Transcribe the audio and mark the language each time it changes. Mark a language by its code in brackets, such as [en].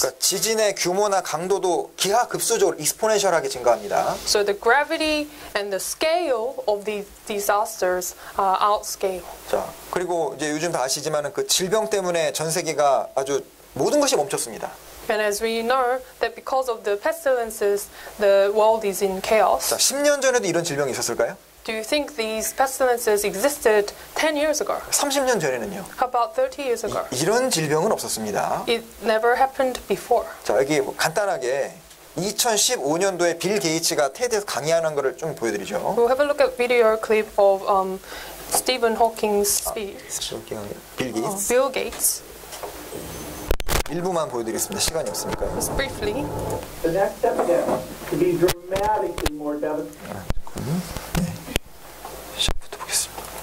[ko] 그러니까 지진의 규모나 강도도 기하급수적으로 익스포넨셜하게 증가합니다. [en] So the gravity and the scale of these disasters are outscale. [ko] 자, 그리고 이제 요즘 다 아시지만은 그 질병 때문에 전 세계가 아주 모든 것이 멈췄습니다. [en] And as we know that because of the pestilences, the world is in chaos. [ko] 자, 10년 전에도 이런 질병이 있었을까요? [en] Do you think these pestilences existed 10 years ago? [ko] 30년 전에는요? [en] About 30 years ago. [ko] 이런 질병은 없었습니다. [en] It never happened before. [ko] 자, 여기 간단하게 2015년도에 빌 게이츠가 테드에서 강의하는 것을 좀 보여드리죠. [en] We'll have a look at video clip of Stephen Hawking's speech. [ko] 아, Bill Gates. [en] Bill Gates. [ko] 일부만 보여드리겠습니다. 시간이 없으니까. [en] Just briefly. The next step again to be dramatically more devastating. [ko] 네. 시작부터 보겠습니다.